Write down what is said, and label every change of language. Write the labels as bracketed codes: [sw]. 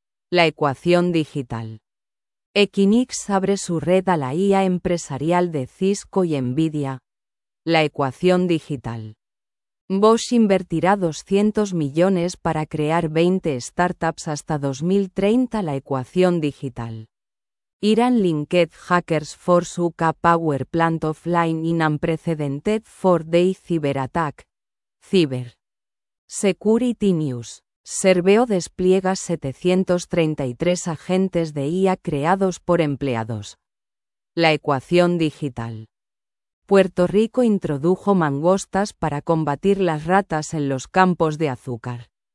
[es] La ecuación digital. Equinix abre su red a la IA empresarial de Cisco y Nvidia. La ecuación digital. Bosch invertirá 200 millones para crear 20 startups hasta 2030. La ecuación digital. [en] Iran linked hackers force UK power plant offline in unprecedented 4-day cyber attack. Cyber Security News. [es] Serveo despliega 733 agentes de IA creados por empleados. La ecuación digital. Puerto Rico introdujo mangostas para combatir las ratas en los campos de azúcar.